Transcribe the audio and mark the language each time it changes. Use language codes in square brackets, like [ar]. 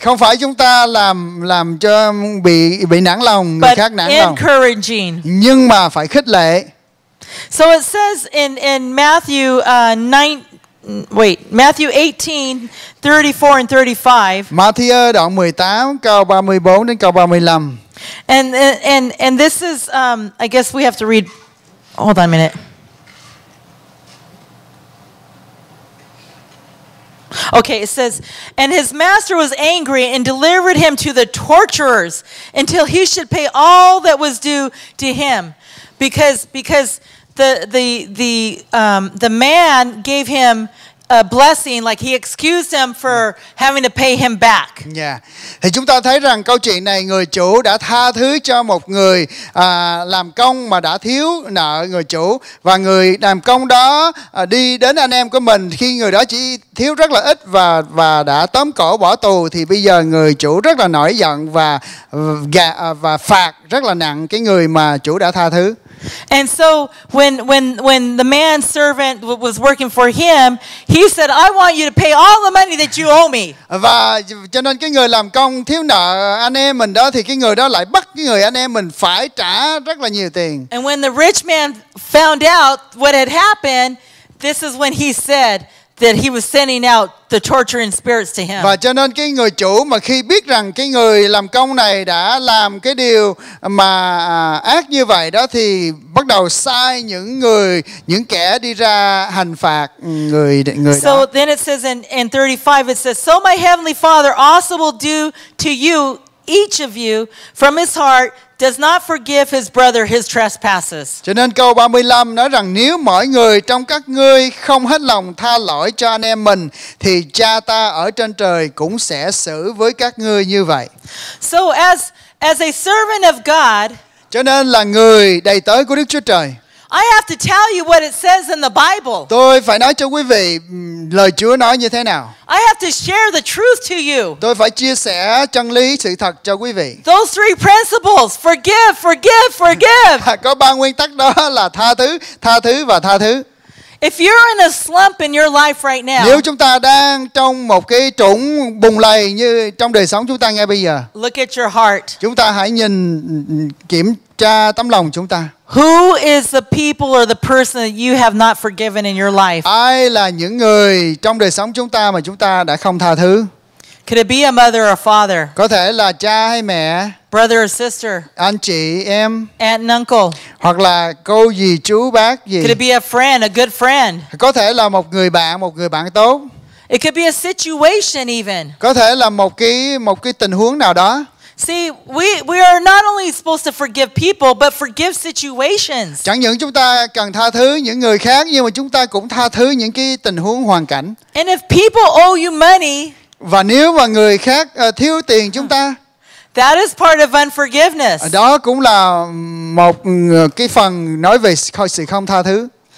[vi] Không phải chúng ta làm cho bị nản lòng, người khác nản lòng. [en] But encouraging. [vi] Nhưng mà phải khích lệ. [en] So it says in Matthew 18:34-35. [vi] Matthew đoạn 18 câu 34 đến câu 35. [en] And this is I guess we have to read. Hold on a minute. Okay, it says, and his master was angry and delivered him to the torturers until he should pay all that was due to him, because the man gave him a blessing, like he excused him for having to pay him back. Yeah. [vi] Thì chúng ta thấy rằng câu chuyện này người chủ đã tha thứ cho một người làm công mà đã thiếu nợ người chủ, và người làm công đó đi đến anh em của mình khi người đó chỉ thiếu rất là ít và đã tóm cổ bỏ tù, thì bây giờ người chủ rất là nổi giận và phạt rất là nặng cái người mà chủ đã tha thứ. [en] And so when the man's servant was working for him, he said, I want you to pay all the money that you owe me. [vi] Và cho nên cái người làm công thiếu nợ anh em mình đó, thì cái người đó lại bắt cái người anh em mình phải trả rất là nhiều tiền. [en] And when the rich man found out what had happened, this is when he said that he was sending out the torturing spirits to him. [vi] Và cho nên cái người chủ mà khi biết rằng cái người làm công này đã làm cái điều mà ác như vậy đó, thì bắt đầu sai những người, những kẻ đi ra hành phạt người đó. [en] So then it says in 35, it says, so my heavenly Father also will do to you, each of you, from his heart, does not forgive his brother his trespasses. [vi] Cho nên câu 35 nói rằng nếu mọi người trong các ngươi không hết lòng tha lỗi cho anh em mình thì cha ta ở trên trời cũng sẽ xử với các ngươi như vậy. [en] So as a servant of God, [vi] cho nên là người đầy tớ của Đức Chúa Trời, [en] I have to tell you what it says in the Bible. [vi] Tôi phải nói cho quý vị lời Chúa nói như thế nào. [en] I have to share the truth to you. [vi] Tôi phải chia sẻ chân lý sự thật cho quý vị. [en] Those three principles: forgive, forgive, forgive. [vi] Có ba nguyên tắc đó là tha thứ và tha thứ. [en] If you're in a slump in your life right now, [vi] nếu chúng ta đang trong một cái trũng bùng lầy như trong đời sống chúng ta ngay bây giờ, [en] look at your heart. [vi] Chúng ta hãy nhìn kiểm tra tấm lòng chúng ta. [en] Who is the people or the person that you have not forgiven in your life? [vi] Ai là những người trong đời sống chúng ta mà chúng ta đã không tha thứ? [en] Could it be a mother or father? [vi] Có thể là cha hay mẹ. [en] Brother or sister. [vi] Anh chị em. [en] Aunt and uncle. [vi] Hoặc là cô dì chú bác gì. [en] Could it be a friend, a good friend? [vi] Có thể là một người bạn tốt. [en] It could be a situation even. [vi] Có thể là một cái tình huống nào đó. [en] See, we are not only supposed to forgive people, but forgive situations. [vi] Chẳng những chúng ta cần tha thứ những người khác, nhưng mà chúng ta cũng tha thứ những cái tình huống hoàn cảnh. [en] And if people owe you money, [vi] và nếu mà người khác thiếu tiền chúng ta, [en] that is part of unforgiveness. [vi] Đó cũng là một cái phần nói về sự không tha thứ.